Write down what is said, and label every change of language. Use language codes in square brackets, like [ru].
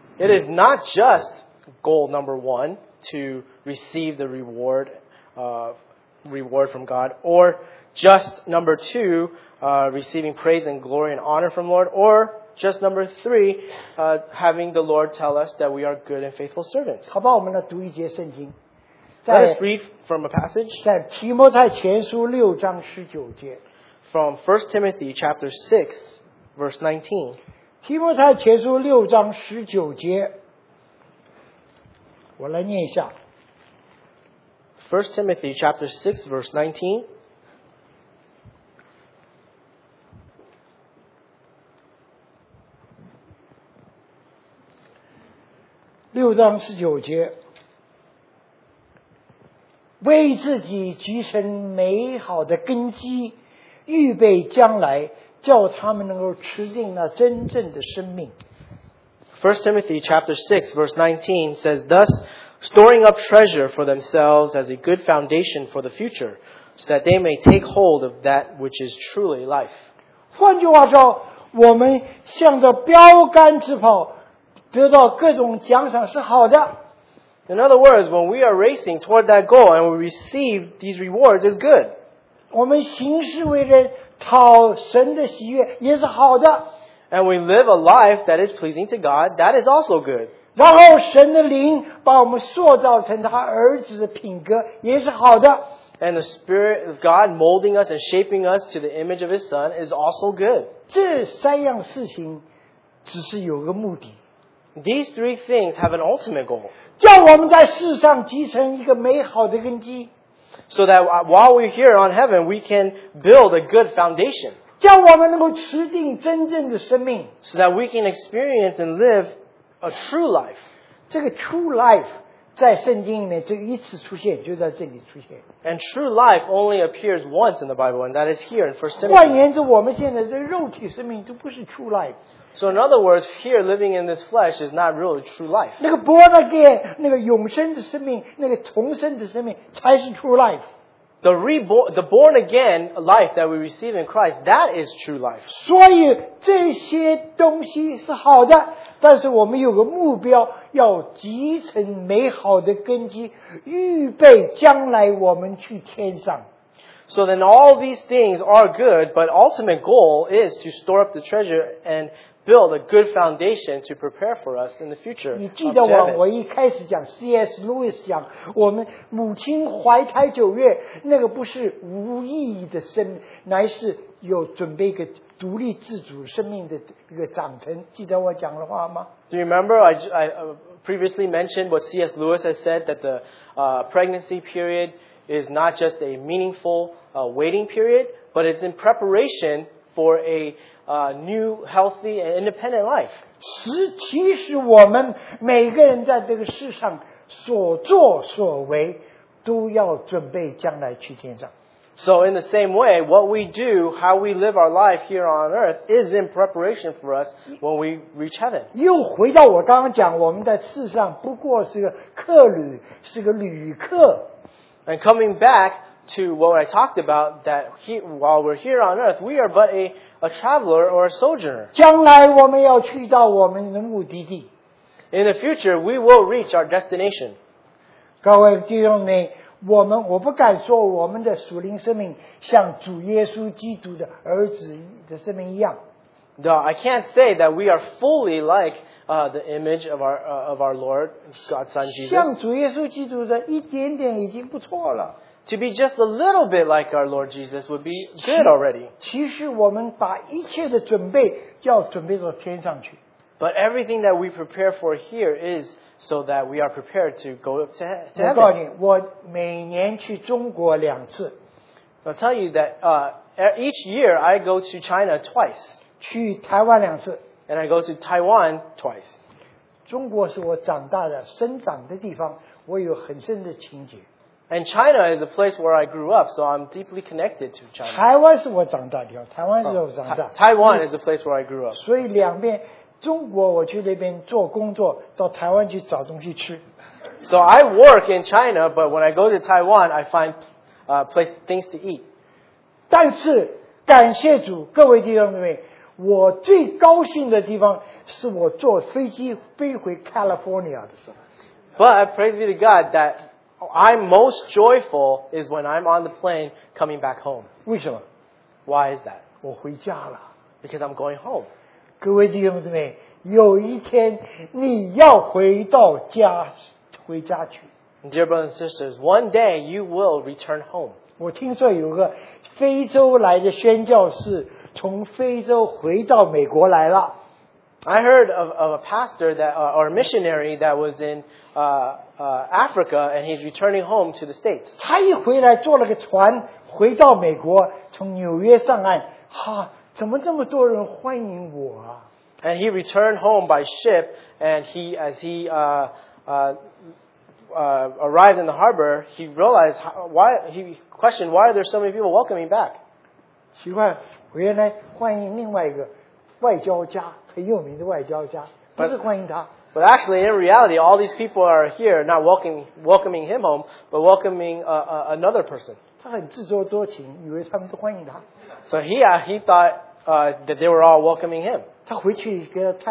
[en] It is not just goal number one to receive the reward from God, or just number two, receiving praise and glory and honor from Lord, or just number three, having the Lord tell us that we are good and faithful servants. [zh] 好吧，我们来读一节圣经。 [en] Let us read from a passage. [zh] 在提摩太前书六章十九节。 [en] From 1 Timothy chapter 6, verse 19. [zh] 提摩太前书六章十九节，我来念一下。 [en] First Timothy chapter 6 verse 19. [zh] 六章十九节，为自己积存美好的根基，预备将来，叫他们能够吃尽那真正的生命。 [en] First Timothy chapter 6 verse 19 says, Thus, storing up treasure for themselves as a good foundation for the future, so that they may take hold of that which is truly life. [zh] 换句话说，我们向着标杆直跑，得到各种奖赏是好的。 [en] In other words, when we are racing toward that goal and we receive these rewards, it's good. [zh] 我们行事为人，讨神的喜悦也是好的。 [en] And we live a life that is pleasing to God, that is also good. [zh] 然后神的灵把我们塑造成他儿子的品格也是好的。 [en] And the Spirit of God molding us and shaping us to the image of His Son is also good. [zh] 这三样事情只是有个目的。 [en] These three things have an ultimate goal. [zh] 叫我们在世上积成一个美好的根基。 [en] So that while we're here on heaven, we can build a good foundation. [zh] 叫我们能够持定真正的生命。 [en] So that we can experience and live a true life. [zh] 这个 [en] true life [zh] 在圣经里面就一次出现，就在这里出现。 [en] And true life only appears once in the Bible, and that is here in 1 Timothy. [zh] 换言之，我们现在这肉体生命就不是 [en] true life。 So in other words, here living in this flesh is not really true life. [zh] 那个 [en] born again, [zh] 那个永生的生命，那个重生的生命才是 [en] true life. The born again life that we receive in Christ, that is true life. [zh] 所以这些东西是好的，但是我们有个目标，要积成美好的根基，预备将来我们去天上。 [en] So then all these things are good, but ultimate goal is to store up the treasure and build a good foundation to prepare for us in the future. [zh] 你记得我一开始讲 C.S. Lewis 讲，我们母亲怀胎九月，那个不是无意义的生命，乃是有准备一个独立自主生命的一个长成。记得我讲的话吗？ [en] Do you remember I previously mentioned what C.S. Lewis has said that the pregnancy period is not just a meaningful waiting period, but it's in preparation for a new, healthy, and independent life. [zh] 其实我们每个人在这个世上所作所为都要准备将来去天上。 [en] So in the same way, what we do, how we live our life here on earth is in preparation for us when we reach heaven. [zh] 又回到我刚刚讲，我们在世上不过是个客旅，是个旅客。 [en] And coming back to what I talked about, that while we're here on earth, we are but a traveler or a sojourner. [zh] 将来我们要去到我们的目的地。 [en] In the future, we will reach our destination. [zh] 各位弟兄们，我不敢说我们的属灵生命像主耶稣基督的儿子的生命一样。 [en] No, I can't say that we are fully like the image of our Lord, God's Son Jesus. [zh] 像主耶稣基督的一点点已经不错了。 [en] To be just a little bit like our Lord Jesus would be good already. [zh] 其实我们把一切的准备要准备到天上去。 [en] But everything that we prepare for here is so that we are prepared to go up to heaven. [zh] 我告诉你，我每年去中国两次。 [en] I'll tell you that each year I go to China twice. [zh] 去台湾两次。 [en] And I go to Taiwan twice. [zh] 中国是我长大的生长的地方，我有很深的情结。 [en] And China is the place where I grew up, so I'm deeply connected to China. [zh] 台湾是我长大的地方，台湾是我长大。 [en] Taiwan is the place where I grew up. [zh] 所以两边，中国我去那边做工作，到台湾去找东西吃。 [en] So I work in China, but when I go to Taiwan, I find things to eat. [zh] 但是感谢主，各位弟兄姊妹，我最高兴的地方是我坐飞机飞回 California 的时候。 [en] But praise be to God that I'm most joyful is when I'm on the plane coming back home. [zh] 为什么？ [en] Why is that? [zh] 我回家了。 [en] Because I'm going home. [zh] 各位弟兄姊妹，有一天你要回到家，回家去。 [en] Dear brothers and sisters, one day you will return home. [zh] 我听说有个非洲来的宣教士从非洲回到美国来了。 [en] I heard of a pastor that, or a missionary that was in Africa, and he's returning home to the States. [zh] 他一回来坐了个船回到美国，从纽约上岸，哈，怎么这么多人欢迎我啊？ [en] And he returned home by ship, and he, as he arrived in the harbor, he realized he questioned why are there so many people welcoming back. [zh] 奇怪，原来欢迎另外一个外交家，很有名的外交家。 [en] But actually, in reality, all these people are here not welcoming him home, but welcoming another person. So he thought that they were all welcoming him.